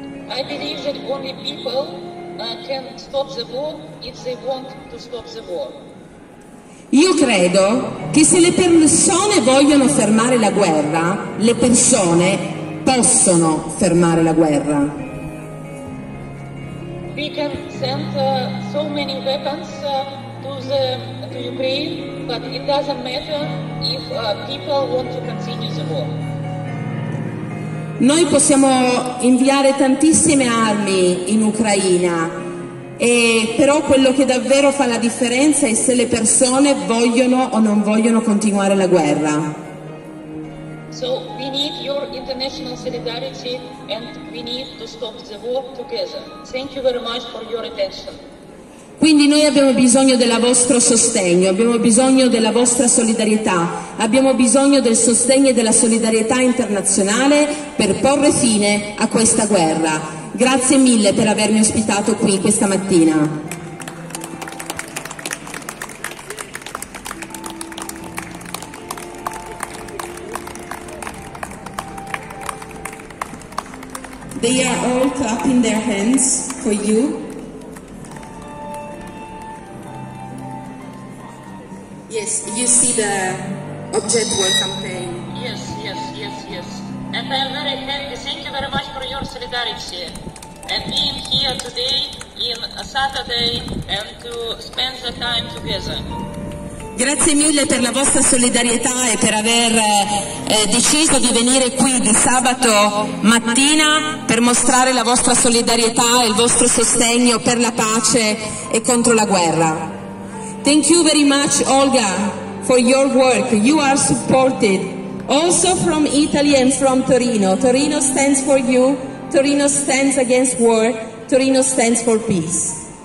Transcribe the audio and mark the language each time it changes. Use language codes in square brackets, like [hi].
[en] I believe that only people can stop the war if they want to stop the war. [it] Io credo che se le persone vogliono fermare la guerra, le persone possono fermare la guerra. [en] We can send so many weapons to Ukraine, but it doesn't matter if people want to continue the war. [it] Noi possiamo inviare tantissime armi in Ucraina. Però quello che davvero fa la differenza è se le persone vogliono o non vogliono continuare la guerra. [en] So we need your international solidarity and we need to stop the war together. Thank you very much for your attention. [it] Qui Quindi noi abbiamo bisogno del vostro sostegno, abbiamo bisogno della vostra solidarietà, abbiamo bisogno del sostegno e della solidarietà internazionale per porre fine a questa guerra. Grazie mille per avermi ospitato qui questa mattina. [en] They are all clapping their hands for you. Yes, you see the Object War campaign. Yes. And I am very happy. Thank you very much for your solidarity. And being here today, in Saturday, and to spend the time together. [it] Grazie mille per la vostra solidarietà e per aver deciso di venire qui di sabato mattina per mostrare la vostra solidarietà e il vostro sostegno per la pace e contro la guerra. [en] Thank you very much, Olga, for your work. You are supported also from Italy and from Torino. Torino stands for you, Torino stands against war, Torino stands for peace.